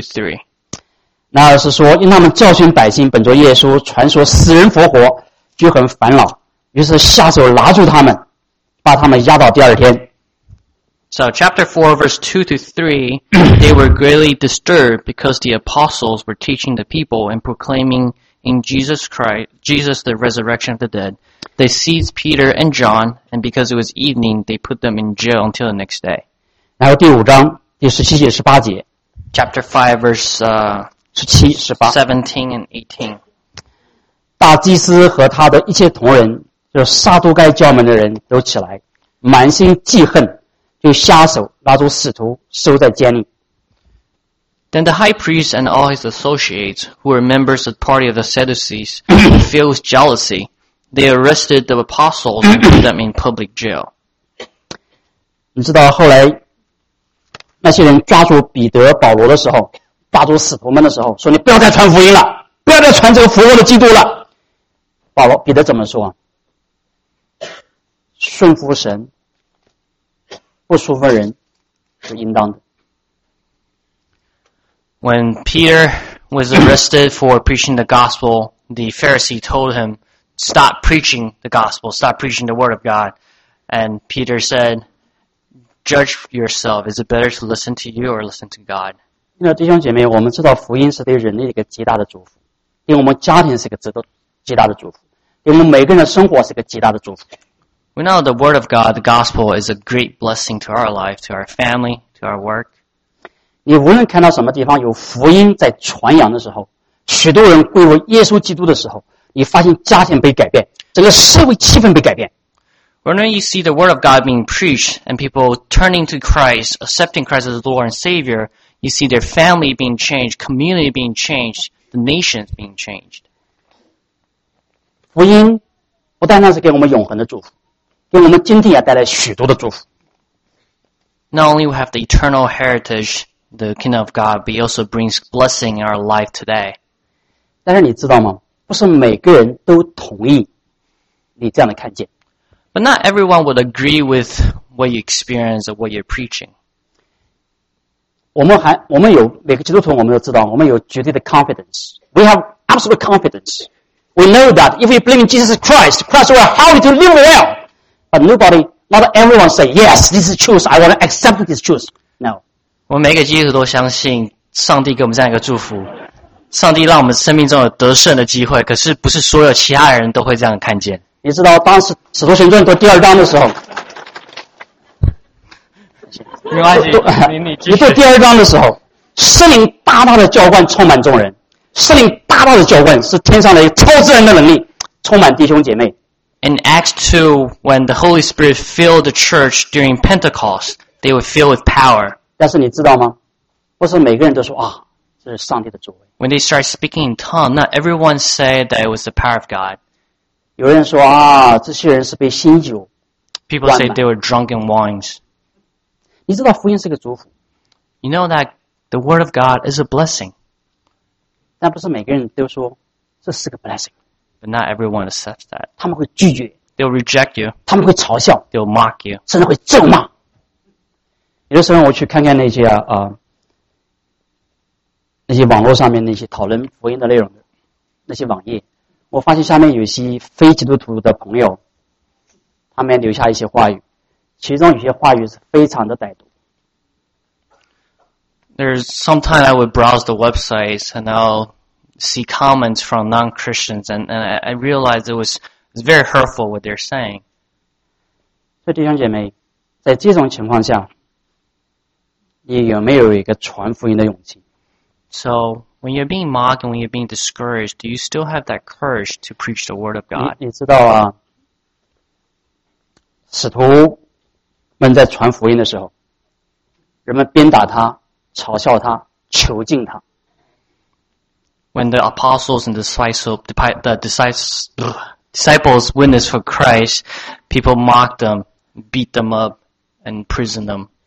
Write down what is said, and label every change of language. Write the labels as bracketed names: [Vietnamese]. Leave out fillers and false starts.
[Chinese] 3. 那是说，因他们教训百姓，本着耶稣传说死人复活，就很烦恼，于是下手拿住他们，把他们压倒第二天。 [English] So, chapter 4, verse 2 to 3, they were greatly disturbed because the apostles were teaching the people and proclaiming in Jesus Christ, Jesus the resurrection of the dead. They seized Peter and John, and because it was evening, they put them in jail until the next day. [Chinese] 然后第五章第十七节十八节 [English] ，Chapter 5 verse 17-18 17 and 18. [Chinese] 大祭司和他的一切同人，就是撒都该教门的人都起来，满心记恨，就下手拉住使徒收在监里。 [English] Then the high priest and all his associates, who were members of the party of the Sadducees, filled with jealousy. They arrested the apostles and put them in public jail. [Chinese] 你知道后来那些人抓住彼得、保罗的时候，抓住使徒们的时候，说：“你不要再传福音了，不要再传这个复活的基督了。” 保罗、彼得怎么说？顺服神，不顺服人是应当的。 [English] When Peter, was arrested for preaching the gospel, the Pharisee told him, stop preaching the gospel, stop preaching the word of God. And Peter said, judge yourself. Is it better to listen to you or listen to God? [Chinese] 弟兄姐妹，我们知道福音是对人类一个极大的祝福，对我们家庭是一个极大的祝福，对我们每个人的生活是一个极大的祝福。 [English] We know the word of God, the gospel, is a great blessing to our life, to our family, to our work. [Chinese] 你无论看到什么地方有福音在传扬的时候，许多人归为耶稣基督的时候，你发现家庭被改变，整个社会气氛被改变。 [English] Whenever you see the word of God being preached and people turning to Christ, accepting Christ as Lord and Savior, you see their family being changed, community being changed, the nations being changed. [Chinese] 福音不单单是给我们永恒的祝福，给我们今天也带来许多的祝福。 [English] Not only we have the eternal heritage, the kingdom of God, but it also brings blessing in our life today. [Chinese] 但是你知道吗？不是每个人都同意你这样的看见。 [English] But not everyone would agree with what you experience or what you're preaching. [Chinese] 我们有每个基督徒，我们都知道，我们有绝对的 confidence. [English] We have absolute confidence. We know that if we believe in Jesus Christ, Christ will help you to live well. But nobody, not everyone say, yes, this is truth. I want to accept this truth. No. [Chinese] 我们每个基督徒都相信上帝给我们这样一个祝福，上帝让我们生命中有得胜的机会，可是不是所有其他人都会这样看见。你知道当时《使徒行传》读第二章的时候，没关系，你读第二章的时候，圣灵大大的浇灌充满众人，圣灵大大的浇灌是天上的超自然的能力，充满弟兄姐妹。 [English] In Acts 2, when the Holy Spirit filled the church during Pentecost, they were filled with power. [Chinese] 但是你知道吗？不是每个人都说啊，这是上帝的作为。 [English] When they start speaking in tongues, not everyone said that it was the power of God. [Chinese] 有人说啊，这些人是被新酒。 [English] People say they were drunk in wines. [Chinese] 你知道福音是个祝福。 [English] You know that the word of God is a blessing. [Chinese] 但不是每个人都说这是个 blessing. [English] But not everyone accepts that. [Chinese] 他们会拒绝。 [English] They'll reject you. [Chinese] 他们会嘲笑。 [English] They'll mock you. [Chinese] 甚至会咒骂。有的时候我去看看那些啊、那些网络上面那些讨论福音的内容的那些网页。我发现下面有些非基督徒的朋友，他们留下一些话语，其中有些话语是非常的歹毒。 There's sometimes I would browse the websites and I'll see comments from non-Christians and I realized it was very hurtful what they're saying. 所以弟兄姐妹，在这种情况下，你有没有一个传福音的勇气 [English] ？So. When you're being mocked and when you're being discouraged, do you still have that courage to preach the word of God? [Chinese] 你知道啊，使徒们在传福音的时候，人们鞭打他，嘲笑他，囚禁他。 [English] When the apostles and the disciples witnessed for Christ, people mocked them, beat them up, and imprisoned them.